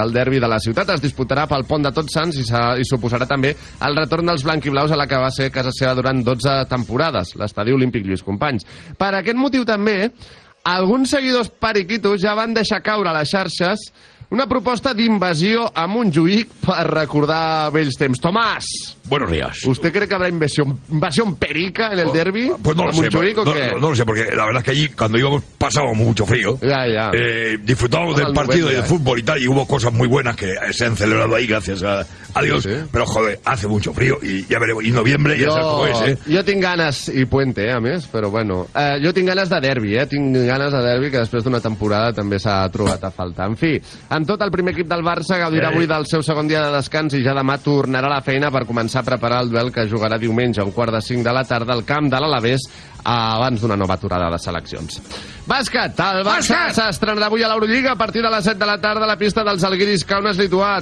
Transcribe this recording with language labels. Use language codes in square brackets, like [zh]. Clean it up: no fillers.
[ca] El derbi de la ciutat es disputarà pel Pont de Tots Sants i suposarà també el retorn dels blanquiblaus a la que va ser casa seva durant 12 temporades, l'Estadi Olímpic Lluís Companys. Per aquest motiu també, alguns seguidors periquitos ja van deixar caure a les xarxes una proposta d'invasió a Montjuïc per recordar vells temps. Tomàs! [es] Buenos días. ¿Usted cree que habrá invasión perica en el derbi? Pues no lo sé. ¿Montjuïc o qué? No lo sé, porque la verdad es que allí, cuando íbamos, pasábamos mucho frío. Ya, ya. Disfrutábamos del partido y del fútbol y tal, y hubo cosas muy buenas que se han celebrado ahí, gracias a Dios. Sí, sí. Pero, joder, hace mucho frío y ya veremos. Y noviembre, ya sabes cómo es, ¿eh? Yo tengo ganas, y puente, [ca] a més, [es] pero bueno. Yo tengo ganas de derbi, ¿eh? Tengo ganas de derbi, que después de una temporada también se ha trobat a falta. [ca] En fi, en tot el primer equip del Barça gaudirà avui del seu segon dia de descans i ja demà tornarà a la feina per començar a preparar el duel que jugarà diumenge a 16:45 al camp de l'Alavés abans d'una nova aturada de seleccions. Bàsquet! El Barça s'estrenarà avui a l'Eurolliga a partir de les 7:00 a la pista dels Alguiris Kaunas Lituà.